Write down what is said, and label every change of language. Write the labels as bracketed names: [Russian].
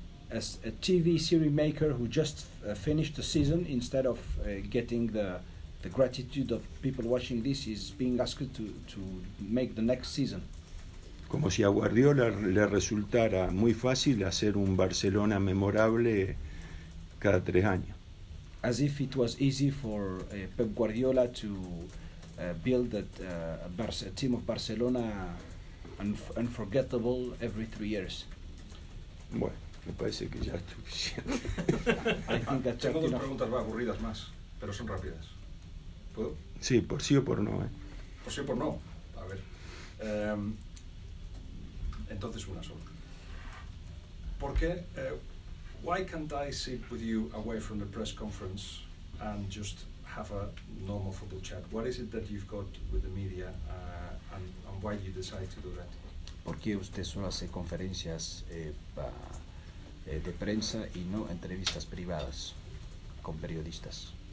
[English] As a TV series maker who just finished the season, instead of getting the gratitude of people watching this, is being asked to make the next season. [Spanish] Como si a Guardiola le resultara muy fácil hacer un Barcelona memorable cada tres años. [English] As if it was easy for Pep Guardiola to build a team of Barcelona unforgettable every 3 years. [Spanish] Bueno. Me parece que ya estoy diciendo. Tengo dos preguntas más aburridas más, pero son rápidas. ¿Puedo? Sí, por sí o por no. Por sí o por no. A ver. Entonces una sola. ¿Por qué? [English] Why can't I sit with you away from the press conference and just have a normal football chat? What is it that you've got with the media and why you decide to do that? [Spanish] ¿Por qué usted solo hace conferencias de prensa y no entrevistas privadas con periodistas?